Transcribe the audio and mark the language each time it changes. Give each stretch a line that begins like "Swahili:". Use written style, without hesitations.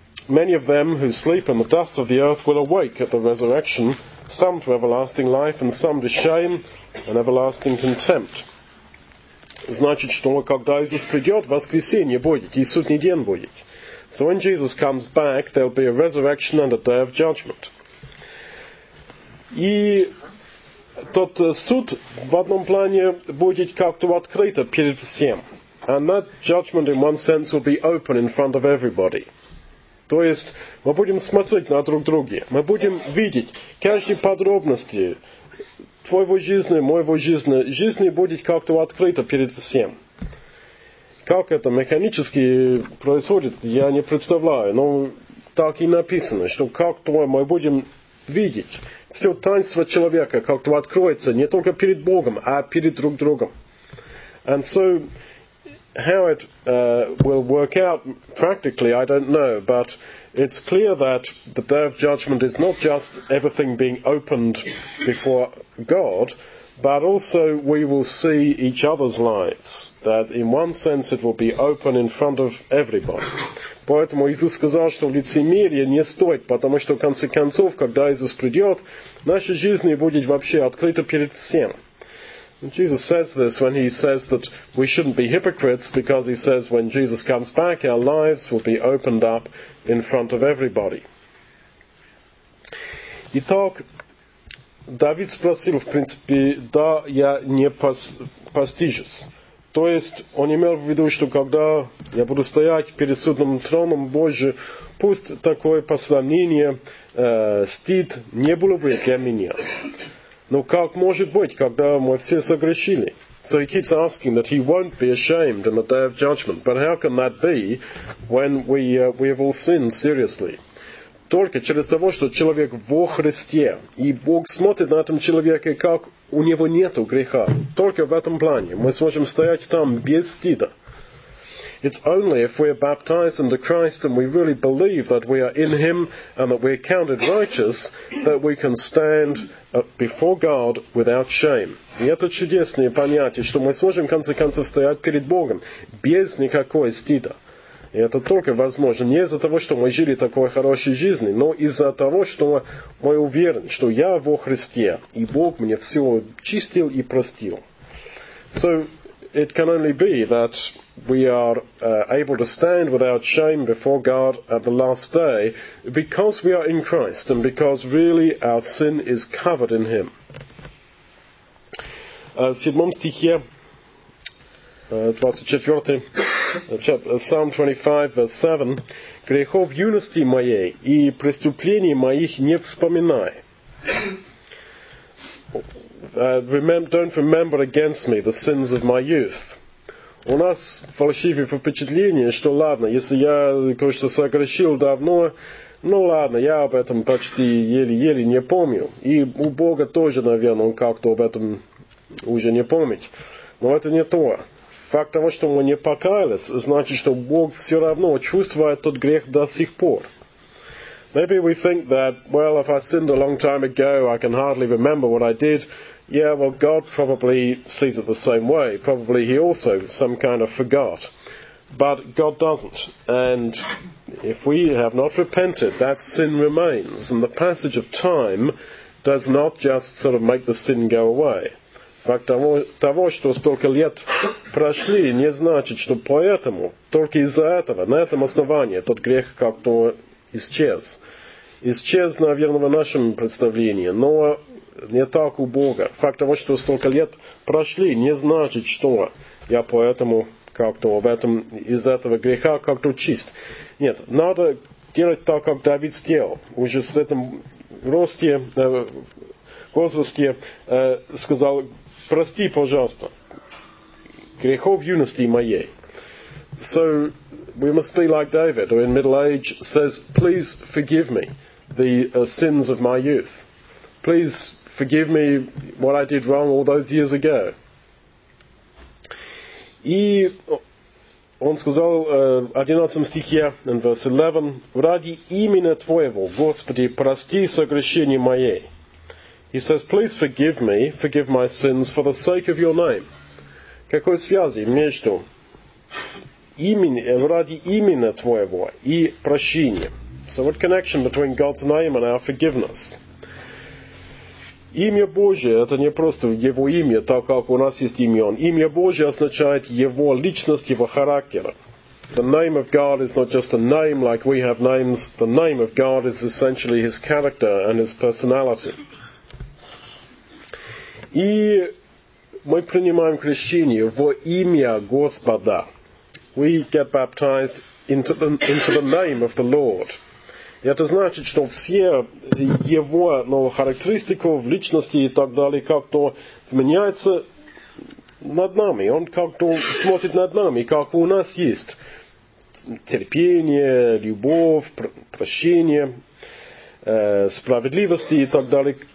English: Many of them who sleep in the dust of the earth will awake at the resurrection, some to everlasting life and some to shame and everlasting contempt.
Russian: значит, что когда Иисус придет, воскресенье будет, и судный день будет.
English: So when Jesus comes back, there'll be a resurrection and a day of judgment.
Russian: И тот суд в одном плане будет как-то открыто перед всем.
English: And that judgment, in one sense, will be open in front of everybody.
Russian: То есть мы будем смотреть на друг друга. Мы будем видеть каждые подробности твоего жизни, моего жизни. Жизнь будет как-то открыта перед всем. Как это механически происходит, я не представляю. Но так и написано, что как-то мы будем видеть все таинство человека, как-то откроется не только перед Богом, а перед друг другом.
English: And so, how it will work out practically, I don't know, but it's clear that the Day of Judgment is not just everything being opened before God, but also we will see each other's lives, that in one sense it will be open in front of everybody.
Russian: Поэтому Иисус сказал, что лицемерие не стоит, потому что в конце концов, когда Иисус придет, наша жизнь будет вообще открыта перед всем.
English: And Jesus says this when he says that we shouldn't be hypocrites, because he says when Jesus comes back, our lives will be opened up in front of everybody.
Russian: Итак, Давид спросил, в принципе, да, я не постижусь. То есть, он имел в виду, что когда я буду стоять перед судным троном Божьим, пусть такое посланение, стыд не было бы для меня. Но как может быть, когда мы все согрешили?
English: So he keeps asking that he won't be ashamed in the day of judgment. But how can that be when we have all sinned seriously?
Russian: Только через того, что человек во Христе, и Бог смотрит на этом человека, как у него нету греха. Только в этом плане мы сможем стоять там без стыда.
English: It's only if we are baptized into Christ and we really believe that we are in Him and that we are counted righteous that we can stand before God without shame.
Russian: И это чудесное понятие, что мы сможем в конце концов стоять перед Богом без никакой стыда. И это только возможно не из-за того, что мы жили такой хорошей жизнью, но из-за того, что мы уверены, что я во Христе, и Бог мне все чистил и простил.
English: So it can only be that we are able to stand without shame before God at the last day because we are in Christ and because really our sin is covered in Him.
Russian: В 7 стихе, 24,
English: Psalm 25, verse 7,
Russian: «Грехов юности моей и преступлений моих не вспоминай».
English: Don't remember against me the sins of my youth.
Russian: У нас фальшивое впечатление, что ладно, если я кое-что согрешил давно, ну ладно, я об этом почти еле-еле не помню. И у Бога тоже, наверное, он как-то об этом уже не помнит. Но это не то. Факт того, что мы не покаялись, значит, что Бог все равно чувствует тот грех до сих пор.
English: Maybe we think that, well, if I sinned a long time ago, I can hardly remember what I did. Yeah, well, God probably sees it the same way. Probably he also some kind of forgot. But God doesn't. And if we have not repented, that sin remains. And the passage of time does not just sort of make the sin go away.
Russian: Факт того, что столько лет прошли, не значит, что поэтому, только из-за этого, на этом основании, тот грех как-то исчез. Исчез, наверное, в нашем представлении, но не так у Бога. Факт того, что столько лет прошли, не значит, что я поэтому как-то об этом, из этого греха как-то чист. Нет, надо делать так, как Давид сделал. Уже с этим росте, возрасте сказал, прости, пожалуйста, грехов юности моей.
English: So we must be like David, who in middle age says, please forgive me the sins of my youth. Please forgive me what I did wrong all those years ago.
Russian: И он сказал в 11 стихе,
English: in verse 11,
Russian: ради имени Твоего, Господи, прости согрешение мое.
English: He says, please forgive me, forgive my sins for the sake of your name.
Russian: Какой связи между ради имени Твоего и прощением?
English: So what connection between God's name and our forgiveness?
Russian: Имя Божие – это не просто Его имя, так как у нас есть имен. Имя Божие означает Его личность, Его характер.
English: The name of God is not just a name like we have names. The name of God is essentially His character and His personality.
Russian: И мы принимаем крещение во имя Господа.
English: We get baptized into the name of the Lord.
Russian: Это значит, что все его характеристики в личности и так далее как-то меняются над нами. Он как-то смотрит над нами, как у нас есть терпение, любовь, прощение, справедливости и так далее.